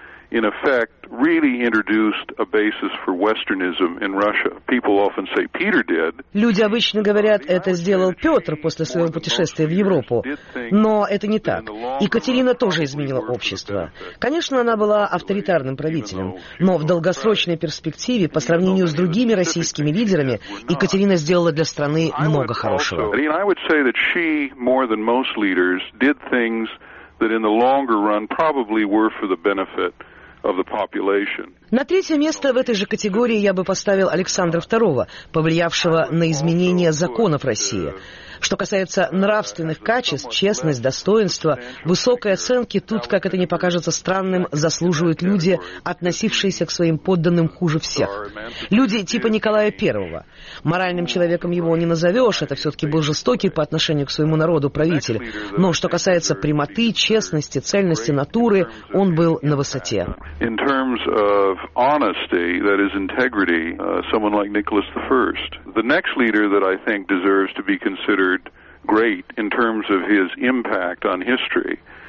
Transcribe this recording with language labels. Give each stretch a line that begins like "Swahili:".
English: In effect, really introduced a basis for westernism in Russia. People often say Peter did.
Russian: Люди обычно говорят, это сделал Петр после своего путешествия в Европу. Но это не так. Екатерина тоже изменила общество. Конечно, она была авторитарным правителем, но в долгосрочной перспективе, по сравнению с другими российскими лидерами, Екатерина сделала для страны много хорошего.
English: I would say that she, more than most leaders, did things that in the longer run probably were for the benefit of the population.
Russian: На третье место в этой же категории я бы поставил Александра II, повлиявшего на изменение законов России. Что касается нравственных качеств, честность, достоинство, высокой оценки, тут, как это ни покажется странным, заслуживают люди, относившиеся к своим подданным хуже всех. Люди типа Николая I. Моральным человеком его не назовешь, это все-таки был жестокий по отношению к своему народу правитель. Но что касается прямоты, честности, цельности, натуры, он был на высоте.
English: Of honesty, that is integrity, someone like Nicholas I. The next leader that I think deserves to be considered great in terms of his impact on history.